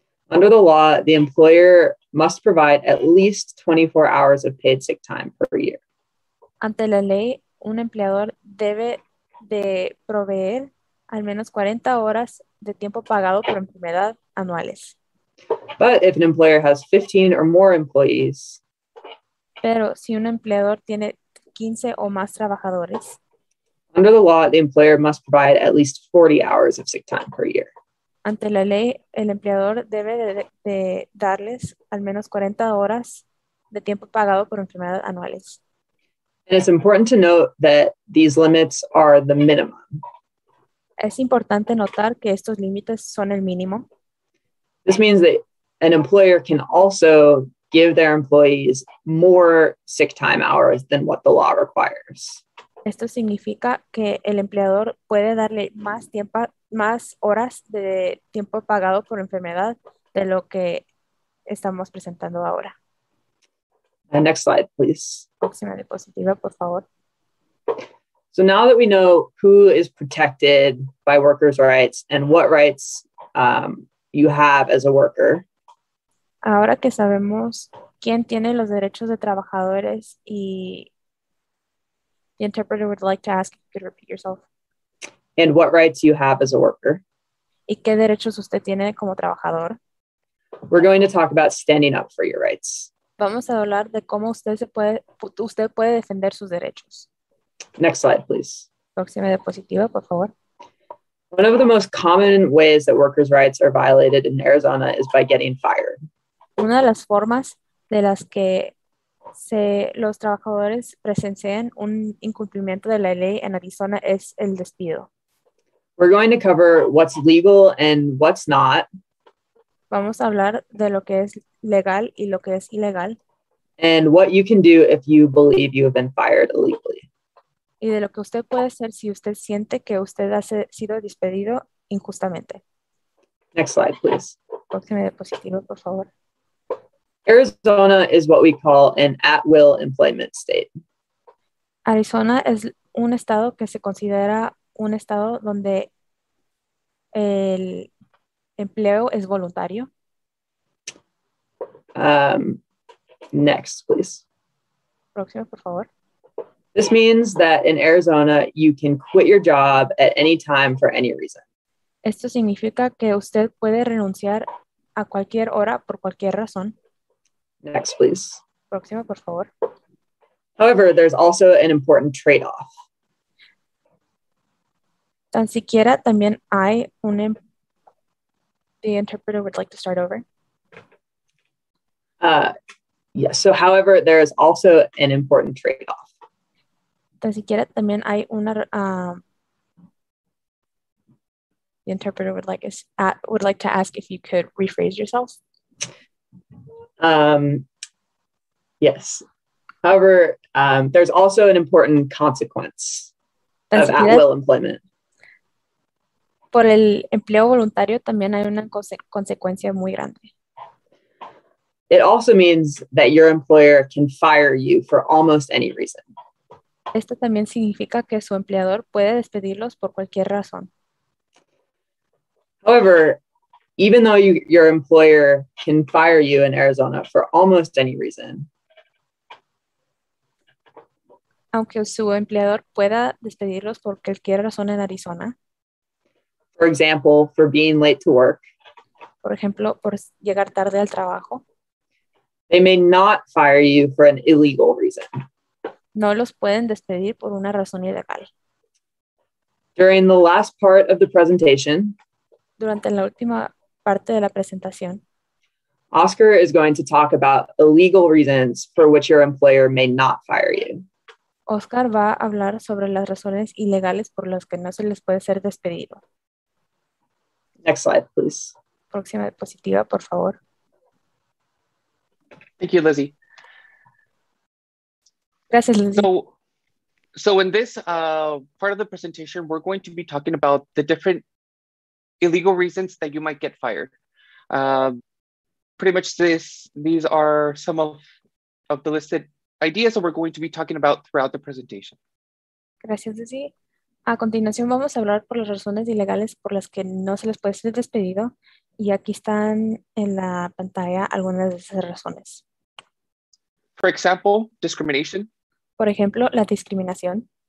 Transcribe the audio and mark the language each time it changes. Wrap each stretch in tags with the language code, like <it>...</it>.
<en>under the law, the employer must provide at least 24 hours of paid sick time per year.</en> <es>Ante la ley, un empleador debe de proveer al menos 40 horas de tiempo pagado por enfermedad anuales.</es> <en>But if an employer has 15 or more employees,</en> <es>pero si un empleador tiene 15 o más trabajadores,</es> <en>under the law, the employer must provide at least 40 hours of sick time per year.</en> <es>Ante la ley, el empleador debe de darles al menos 40 horas de tiempo pagado por enfermedad anuales.</es> <en>And it's important to note that these limits are the minimum.</en> <es>Es importante notar que estos límites son el mínimo.</es> <en>This means that an employer can also give their employees more sick time hours than what the law requires.</en> <es>Esto significa que el empleador puede darle más horas de tiempo pagado por enfermedad de lo que estamos presentando ahora.</es> <en>And next slide, please.</en> <es>Próxima diapositiva, por favor.</es> <en>So now that we know who is protected by workers' rights and what rights you have as a worker,</en> <es>ahora que sabemos quién tiene los derechos de trabajadores y</es> <en>the interpreter would like to ask if you could repeat yourself. and what rights you have as a worker.</en> <es>¿Y qué derechos usted tiene como trabajador?</es> <en>We're going to talk about standing up for your rights.</en> <es>Vamos a hablar de cómo usted puede defender sus derechos.</es> <en>Next slide, please.</en> <es>Próxima diapositiva, por favor.</es> <en>One of the most common ways that workers' rights are violated in Arizona is by getting fired.</en> <es>Una de las formas de las que los trabajadores presencian un incumplimiento de la ley en Arizona es el despido.</es> <en>We're going to cover what's legal and what's not.</en> <es>Vamos a hablar de lo que es legal y lo que es ilegal.</es> <en>And what you can do if you believe you have been fired illegally.</en> <es>Y de lo que usted puede hacer si usted siente que usted ha sido despedido injustamente.</es> <en>Next slide, please.</en> <es>Próxima diapositiva, por favor.</es> <en>Arizona is what we call an at-will employment state.</en> <es>Arizona es un estado que se considera un estado donde el empleo es voluntario.</es> <en>Next, please.</en> <es>Próximo, por favor.</es> <en>This means that in Arizona, you can quit your job at any time for any reason.</en> <es>Esto significa que usted puede renunciar a cualquier hora por cualquier razón.</es> <en>Next, please.</en> <es>Próximo, por favor.</es> <en>However, there's also an important trade-off.</en> <es>Tan siquiera también hay un...</es> <en>The interpreter would like to start over. Yes, so however, there is also an important trade-off.</en> <es>Tan siquiera también hay una...</es> <en>The interpreter would like to ask if you could rephrase yourself. Yes. However, there's also an important consequence of at-will employment.</en> <es>Por el empleo voluntario también hay una consecuencia muy grande.</es> <en>It also means that your employer can fire you for almost any reason.</en> <es>Esto también significa que su empleador puede despedirlos por cualquier razón.</es> <en>However, even though your employer can fire you in Arizona for almost any reason.</en> <es>Aunque su empleador pueda despedirlos por cualquier razón en Arizona.</es> <en>For example, for being late to work.</en> <es>Por ejemplo, por llegar tarde al trabajo.</es> <en>They may not fire you for an illegal reason.</en> <es>No los pueden despedir por una razón ilegal.</es> <en>During the last part of the presentation.</en> <es>Durante la última parte de la presentación.</es> <en>Oscar is going to talk about illegal reasons for which your employer may not fire you.</en> <es>Oscar va a hablar sobre las razones ilegales por las que no se les puede ser despedido.</es> <en>Next slide, please.</en> <es>Próxima diapositiva, por favor.</es> <en>Thank you, Lizzie.</en> <es>Gracias, Lizzie.</es> <en>So in this part of the presentation, we're going to be talking about the different illegal reasons that you might get fired. Pretty much these are some of the listed ideas that we're going to be talking about throughout the presentation.</en> <es>Gracias, Lizzie. A continuación vamos a hablar por las razones ilegales por las que no se les puede ser despedido. Y aquí están en la pantalla algunas de esas razones.</es> <en>For example, discrimination.</en> <es>Por ejemplo, la discriminación.</es>